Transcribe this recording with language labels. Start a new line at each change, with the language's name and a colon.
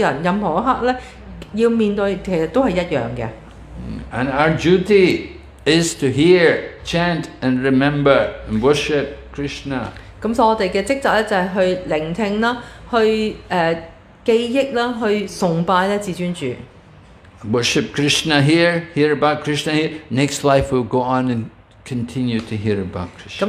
Chinese: 所以一個準備接受死亡的人要面對的事,和所有人任何一刻要面對的其實都是一樣的。
English: And our duty is to hear, chant and remember and worship Krishna.
Chinese: 所以我們的職責就是去聆聽,去記憶去崇拜至尊主
English: worship Krishna here, hear about Krishna here, next life we'll go on and continue to hear about Krishna.